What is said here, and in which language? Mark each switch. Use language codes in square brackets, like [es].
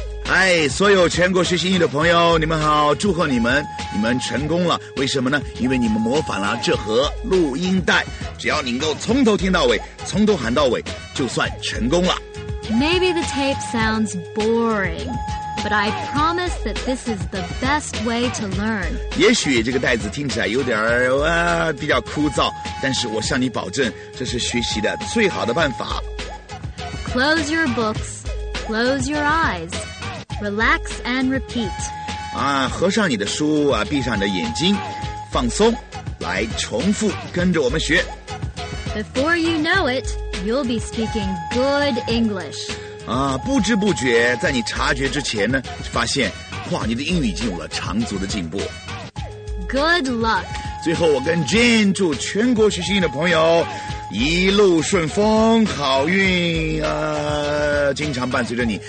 [zh] Hi, 所有全国学习英语的朋友，你们好，祝贺你们，你们成功了。为什么呢？因为你们模仿了这盒录音带。只要你能够从头听到尾，从头喊到尾，就算成功了。 [en] Maybe the tape sounds boring, but I promise that this is the best way to learn. [zh] 也许这个袋子听起来有点比较枯燥，但是我向你保证，这是学习的最好的办法。 [en] Close your books, close your eyes. Relax and repeat. [zh] 啊，合上你的书啊，闭上你的眼睛，放松，来重复，跟着我们学。 [en] Before you know it, you'll be speaking good English. [zh] 啊，不知不觉，在你察觉之前呢，发现，哇，你的英语已经有了长足的进步。 [en] Good luck. [zh] 最后，我跟 Jane 祝全国学习英语的朋友一路顺风，好运啊！经常伴随着你。